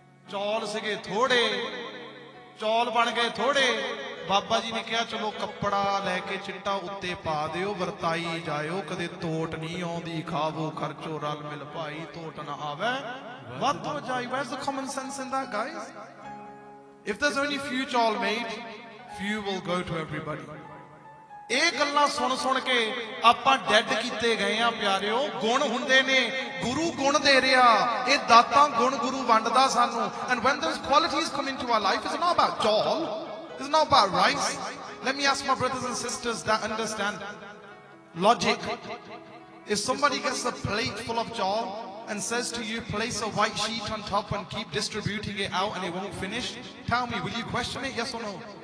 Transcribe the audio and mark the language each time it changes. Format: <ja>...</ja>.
<pa>ਚੌਲ ਸੀਗੇ ਥੋੜੇ, ਚੌਲ ਬਣ ਗਏ ਥੋੜੇ, ਬਾਬਾ ਜੀ ਨੇ ਕਿਹਾ ਚਲੋ ਕੱਪੜਾ ਲੈ ਕੇ ਚਿੱਟਾ ਉੱਤੇ ਪਾ ਦਿਓ, ਵਰਤਾਈ ਜਾਇਓ, ਕਦੇ ਤੋਟ ਨਹੀਂ ਆਉਂਦੀ, ਖਾਵੋ ਖਰਚੋ ਰਲ ਮਿਲ ਭਾਈ ਤੋਟ ਨਾ ਆਵੇ ਵੱਧ ਹੋ ਜਾਈ.</pa> <en>Where's the common sense in that, guys? If there's only few chawl made, few will go to everybody.</en> <pa>ਇਹ ਗੱਲਾਂ ਸੁਣ ਸੁਣ ਕੇ ਆਪਾਂ ਡੈਡ ਕੀਤੇ ਗਏ ਆ ਪਿਆਰਿਓ. ਗੁਣ ਹੁੰਦੇ ਨੇ, ਗੁਰੂ ਗੁਣ ਦੇ ਰਿਹਾ, ਇਹ ਦਾਤਾਂ ਗੁਣ ਗੁਰੂ ਵੰਡਦਾ ਸਾਨੂੰ.</pa> <en>And when those qualities come into our life, it's not about jaw, it's not about rice. Let me ask my brothers and sisters that understand logic. If somebody gets a plate full of jaw and says to you, place a white sheet on top and keep distributing it out and it won't finish, tell me, will you question it, yes or no?</en>